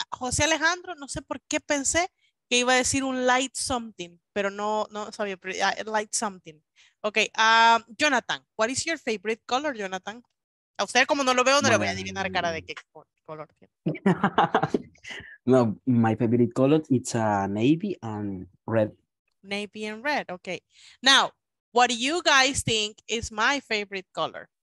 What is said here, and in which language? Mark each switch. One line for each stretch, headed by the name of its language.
Spanish: José Alejandro, no sé por qué pensé que iba a decir un
English: light something,
Spanish: pero no sabía, pero light something.
English: Ok, Jonathan, what is your favorite color, Jonathan?
Spanish: A usted, como no lo veo, no le voy a adivinar cara de qué color tiene.
English: No, my favorite color, it's navy and red. Navy and red, ok. Now, what do you guys think is my favorite color?